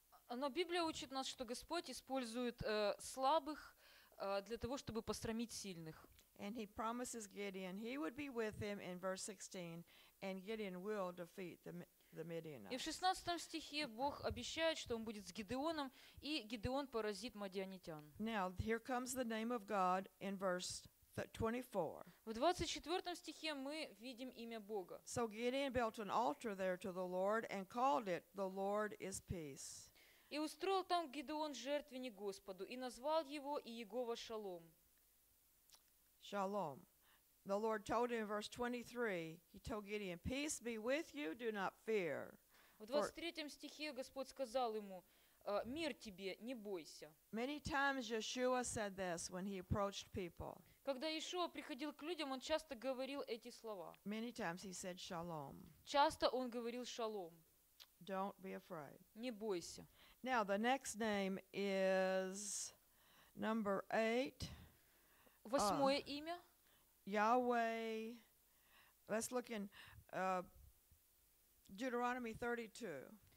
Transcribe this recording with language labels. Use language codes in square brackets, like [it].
[ru] Но Библия учит нас, что Господь использует слабых для того, чтобы посрамить сильных. [en] And he promises Gideon he would be with him in verse 16, and Gideon will defeat the Midianites. [ru] И в 16 стихе Бог обещает, что он будет с Гедеоном, и Гедеон поразит мадианитян. [en] Now, here comes the name of God in verse 24. [ru] В 24 стихе мы видим имя Бога. [en] So Gideon built an altar there to the Lord and called it, "The Lord is peace." [ru] И устроил там Гедеон жертвенник Господу, и назвал его Иегова Шалом. [en] Shalom. The Lord told him in verse 23, he told Gideon, "Peace be with you, do not fear." [ru] В 23 стихе Господь сказал ему, "Мир тебе, не бойся." [en] Many times Yeshua said this when he approached people. [ru] Когда Иешуа приходил к людям, он часто говорил эти слова. [en] Many times he said shalom. [ru] Часто он говорил шалом. [en] Don't be afraid. [ru] Не бойся. [en] Now the next name is number 8. [ru] Восьмое имя. [en] Yahweh. Let's look in Deuteronomy 32.